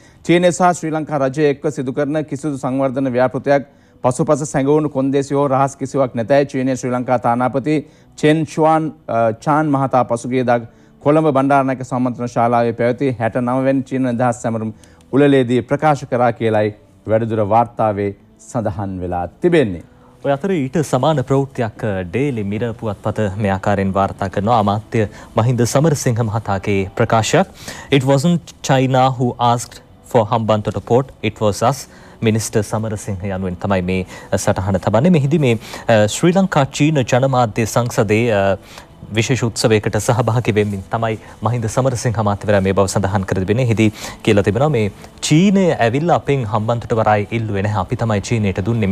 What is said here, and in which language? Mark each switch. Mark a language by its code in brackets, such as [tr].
[si] චීන සහ ශ්‍රී ලංකා රජය එක්ව සිදුකරන කිසිදු සංවර්ධන ව්‍යාපෘතියක් පසුපස සැඟවුණු කොන්දේසි හෝ රහස් කිසිවක් නැතයි චීනයේ ශ්‍රී ලංකා තානාපති චෙන් ෂුවාන් චාන් මහතා පසුගියදා කොළඹ බණ්ඩාරනායක සම්මන්ත්‍රණ ශාලාවේ පැවති 69 වෙනි චීන නිදහස් සැමරුම් උළෙලේදී ප්‍රකාශ කරා කියලයි වැඩදුර වාර්තාවේ සඳහන් වෙලා තිබෙන්නේ. ඔය අතර ඊට සමාන ප්‍රවෘත්තියක් ඩේලි මිර පුවත්පත මේ ආකාරයෙන් වාර්තා කරන අමාත්‍ය මහින්ද සමරසිංහ මහතාගේ ප්‍රකාශයක්. [en] It wasn't China who asked for Hambantota port, it was us. [si] Minister Samarasinghe යනුවෙන් තමයි මේ සටහන තබන්නේ. මෙහිදී මේ ශ්‍රී ලංකා චීන ජනමාධ්‍ය සංසදයේ විශේෂ උත්සවයකට සහභාගී වෙමින් තමයි මහින්ද සමරසිංහ අමාත්‍යවරයා මේ බව සඳහන් කර තිබෙනේ. එහිදී කියලා තිබෙනවා මේ චීනය ඇවිල්ලා අපෙන් හම්බන්තොට වරාය ඉල්ලුවේ නැහැ, අපි තමයි චීනයට දුන්නේ.